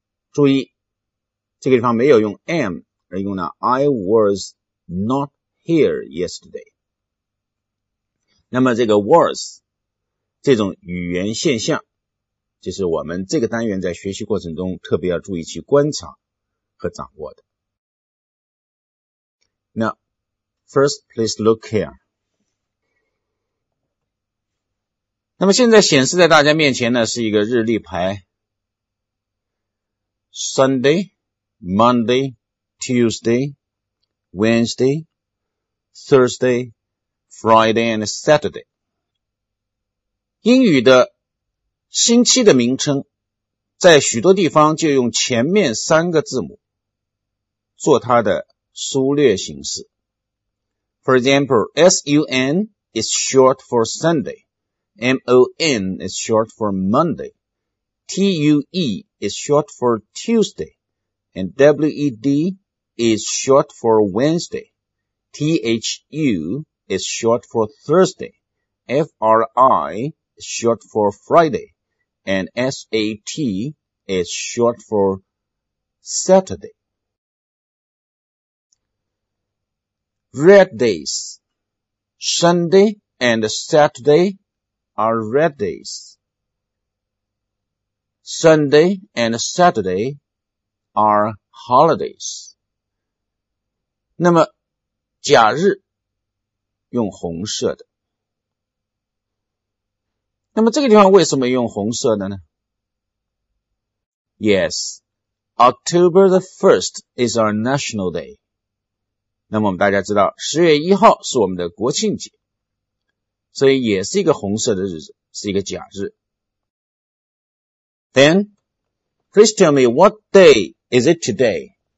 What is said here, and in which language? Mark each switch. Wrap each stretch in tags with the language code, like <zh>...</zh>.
<zh>注意，这个地方没有用 am, 而用了</zh> <en>I was not here yesterday.</en> <zh>那么这个 was, 这种语言现象，就是我们这个单元在学习过程中特别要注意去观察和掌握的。</zh> <en>Now, first please look here.</en> <zh>那么现在显示在大家面前呢，是一个日历牌</zh> <en>Sunday, Monday, Tuesday, Wednesday, Thursday, Friday and Saturday。</en> <zh>英语的星期的名称在许多地方就用前面三个字母做它的缩略形式。</zh> <en>For example, S-U-N is short for SundayMON is short for Monday, TUE is short for Tuesday, and WED is short for Wednesday, THU is short for Thursday, FRI is short for Friday, and SAT is short for Saturday. Red days, Sunday and Saturday,are red days. Sunday and Saturday are holidays.</en> <zh>那么假日用红色的。那么这个地方为什么用红色的呢？</zh> <en>Yes, October the 1st is our national day.</en> <zh>那么我们大家知道10月1号是我们的国庆节。所以也是一个红色的日子，是一个假日。</zh> <en>Then, please tell me what day is it today?</en>